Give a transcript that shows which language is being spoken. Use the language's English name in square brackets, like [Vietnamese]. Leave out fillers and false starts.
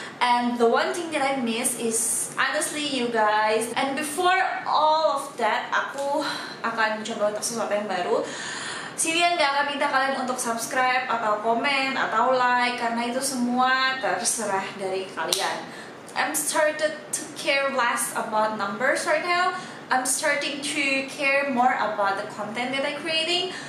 [English] And the one thing that I miss is honestly you guys. And before all of that, [Indonesian] aku akan coba untuk sesuatu yang baru. Sintian gak akan minta kalian untuk subscribe atau komen atau like, karena itu semua terserah dari kalian. [English] I'm started to care less about numbers right now. I'm starting to care more about the content that I creating.